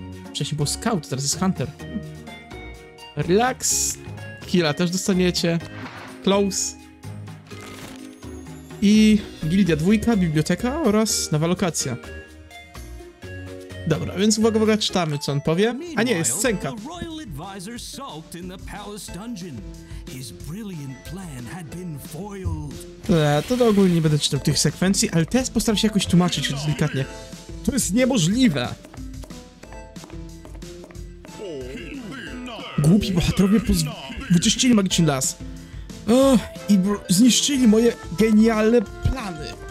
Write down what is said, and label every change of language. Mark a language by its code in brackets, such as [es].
[pl] Wcześniej był Scout, teraz jest Hunter. Relax, Kila też dostaniecie. Close. I gildia dwójka, biblioteka oraz nowa lokacja. Dobra, więc uwaga, czytamy, co on powie. A nie, jest scenka. [en] Advisor sulked in the palace dungeon. His brilliant plan had been foiled. [pl] To ogólnie nie będę czytał tych sekwencji, ale teraz postaram się jakoś tłumaczyć delikatnie. To jest niemożliwe! Głupi bohaterowie wyczyścili magiczny las. I zniszczyli moje genialne plany.